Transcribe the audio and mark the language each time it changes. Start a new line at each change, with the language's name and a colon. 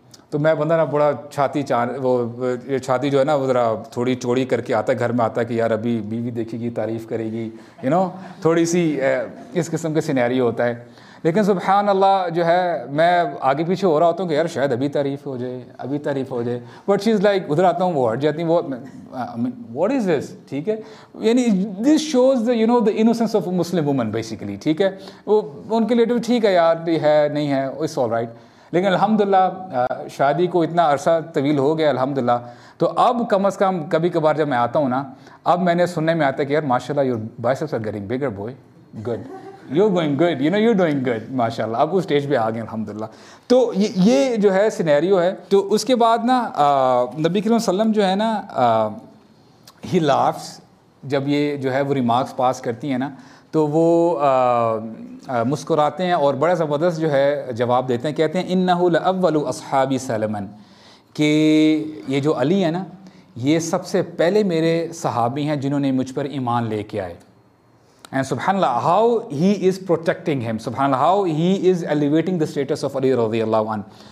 Urdu: تو میں بندہ نا بڑا چھاتی جو ہے نا وہ ذرا تھوڑی چوڑی کر کے آتا ہے گھر میں آتا ہے کہ یار ابھی بیوی دیکھے گی تعریف کرے گی یو نو تھوڑی سی اس قسم کے سینیریو ہوتا ہے. لیکن سبحان اللہ جو ہے میں آگے پیچھے ہو رہا ہوتا ہوں کہ یار شاید ابھی تعریف ہو جائے ابھی تعریف ہو جائے.
English: but she is like
Urdu: ادھر آتا ہوں وہ ہٹ جاتی ہیں. وہ
English: What is this.
Urdu: ٹھیک ہے یعنی
English: This shows the you know the innocence of Muslim women basically.
Urdu: ٹھیک ہے وہ ان کے لیے تو ٹھیک ہے یار ہے نہیں ہے
English: It's all right.
Urdu: لیکن الحمدللہ شادی کو اتنا عرصہ طویل ہو گیا الحمدللہ. تو اب کم از کم کبھی کبھار جب میں آتا ہوں نا اب میں نے سننے میں آتا ہے کہ یار ماشاء اللہ
English: Your biceps are getting bigger boy good You're going good. You know, you're doing good.
Arabic: MashaAllah.
Urdu: آپ اس اسٹیج پہ آ گئے الحمد للہ. تو یہ جو ہے سینیریو ہے. تو اس کے بعد نا نبی کریم صلی اللہ علیہ وسلم جو ہے نا
English: he laughs
Urdu: جب یہ جو ہے وہ ریمارکس پاس کرتی ہیں نا تو وہ مسکراتے ہیں اور بڑا زبردست جو ہے جواب دیتے ہیں. کہتے ہیں
Arabic: انہ الاول اصحاب سلمن
Urdu: کہ یہ جو علی ہے نا یہ سب سے پہلے میرے صحابی ہیں جنہوں نے مجھ پر ایمان لے کے آئے.
English: And subhanAllah, how he is protecting him. SubhanAllah, how he is elevating the status of Ali radiallahu anhu.